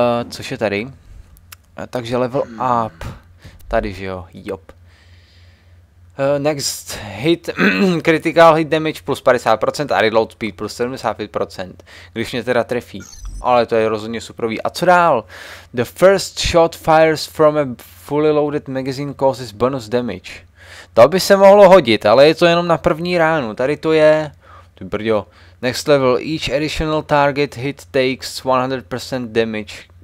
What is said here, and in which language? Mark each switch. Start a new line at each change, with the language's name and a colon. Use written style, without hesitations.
Czech: Což je tady. Takže
English: level up.
Czech: Tady, že jo, jop.
English: Next hit, critical hit damage plus 50% a reload speed plus 75%.
Czech: Když mě teda trefí. ale to je rozhodně superový. A co dál?
English: The first shot fires from a fully loaded magazine causes bonus damage.
Czech: To by se mohlo hodit, ale je to jenom na první ránu. Tady to je... Ty brďo.
English: Next level. Each additional target hit takes 100% damage.